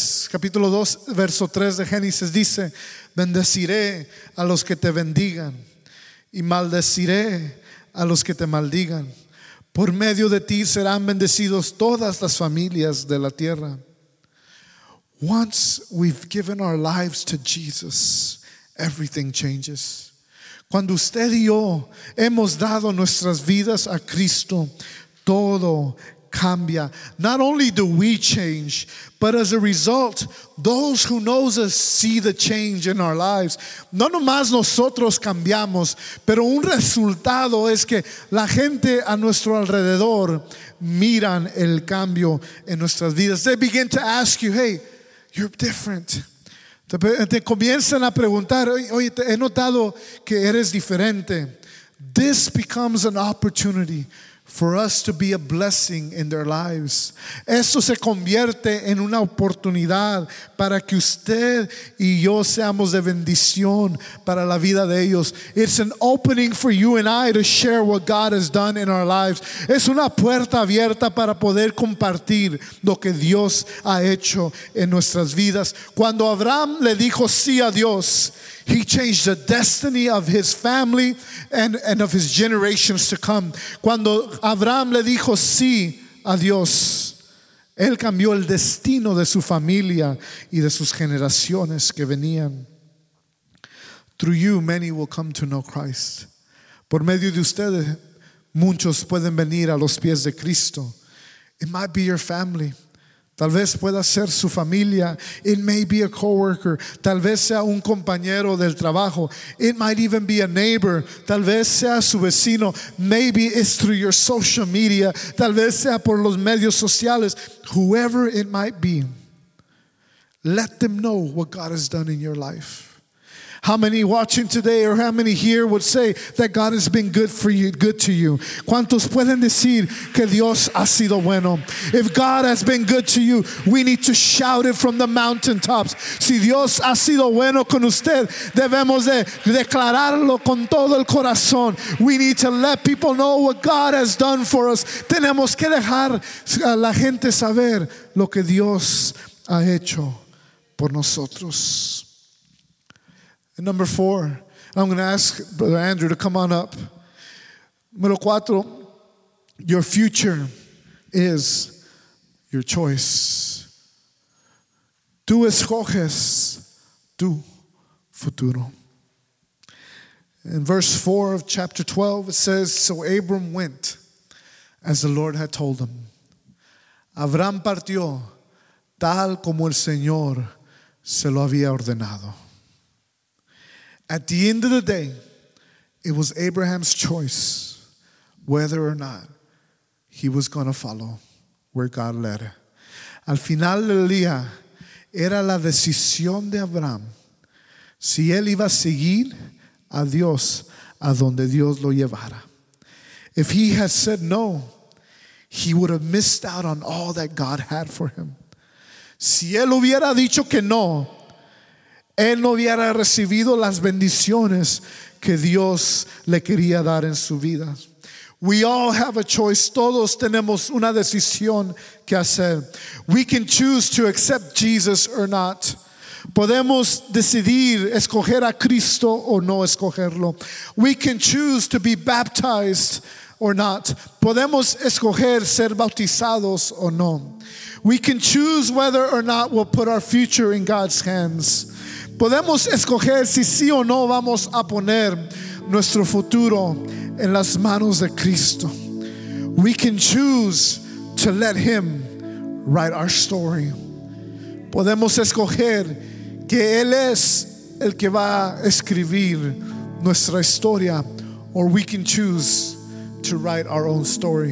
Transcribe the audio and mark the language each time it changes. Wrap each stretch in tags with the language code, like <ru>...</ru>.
<es>Capítulo 2, verso 3 de Génesis dice, bendeciré a los que te bendigan y maldeciré a los que te maldigan. Por medio de ti serán bendecidos todas las familias de la tierra.</es> <en>Once we've given our lives to Jesus, everything changes.</en> <es>Cuando usted y yo hemos dado nuestras vidas a Cristo, todo cambia.</es> <en>Not only do we change, but as a result, those who know us see the change in our lives.</en> <es>No nomás nosotros cambiamos, pero un resultado es que la gente a nuestro alrededor miran el cambio en nuestras vidas.</es> <en>They begin to ask you, hey, you're different.</en> <es>Te comienzan a preguntar, oye, he notado que eres diferente.</es> <en>This becomes an opportunity for us to be a blessing in their lives.</en> <es>Eso se convierte en una oportunidad para que usted y yo seamos de bendición para la vida de ellos.</es> <en>It's an opening for you and I to share what God has done in our lives.</en> <es>Es una puerta abierta para poder compartir lo que Dios ha hecho en nuestras vidas. Cuando Abraham le dijo sí a Dios,</es> <en>he changed the destiny of his family and of his generations to come.</en> <es>Cuando Abraham le dijo sí a Dios, él cambió el destino de su familia y de sus generaciones que venían.</es> <en>Through you, many will come to know Christ.</en> <es>Por medio de ustedes, muchos pueden venir a los pies de Cristo.</es> <en>It might be your family.</en> <es>Tal vez pueda ser su familia.</es> <en>It may be a coworker.</en> <es>Tal vez sea un compañero del trabajo.</es> <en>It might even be a neighbor.</en> <es>Tal vez sea su vecino.</es> <en>Maybe it's through your social media.</en> <es>Tal vez sea por los medios sociales.</es> <en>Whoever it might be, let them know what God has done in your life. How many watching today or how many here would say that God has been good for you, good to you?</en> <es>¿Cuántos pueden decir que Dios ha sido bueno?</es> <en>If God has been good to you, we need to shout it from the mountaintops.</en> <es>Si Dios ha sido bueno con usted, debemos de declararlo con todo el corazón.</es> <en>We need to let people know what God has done for us.</en> <es>Tenemos que dejar a la gente saber lo que Dios ha hecho por nosotros.</es> <en>Number 4, I'm going to ask Brother Andrew to come on up. Número 4, your future is your choice.</en> <es>Tú escoges tu futuro.</es> <en>In verse 4 of chapter 12, it says, so Abram went as the Lord had told him.</en> <es>Abraham partió tal como el Señor se lo había ordenado.</es> <en>At the end of the day, it was Abraham's choice whether or not he was going to follow where God led.</en> <es>Al final del día, era la decisión de Abraham si él iba a seguir a Dios a donde Dios lo llevara.</es> <en>If he had said no, he would have missed out on all that God had for him.</en> <es>Si él hubiera dicho que no, él no hubiera recibido las bendiciones que Dios le quería dar en su vida.</es> <en>We all have a choice.</en> <es>Todos tenemos una decisión que hacer.</es> <en>We can choose to accept Jesus or not.</en> <es>Podemos decidir escoger a Cristo o no escogerlo.</es> <en>We can choose to be baptized or not.</en> <es>Podemos escoger ser bautizados o no.</es> <en>We can choose whether or not we'll put our future in God's hands.</en> <es>Podemos escoger si sí o no vamos a poner nuestro futuro en las manos de Cristo.</es> <en>We can choose to let Him write our story.</en> <es>Podemos escoger que Él es el que va a escribir nuestra historia,</es> <en>or we can choose to write our own story.</en>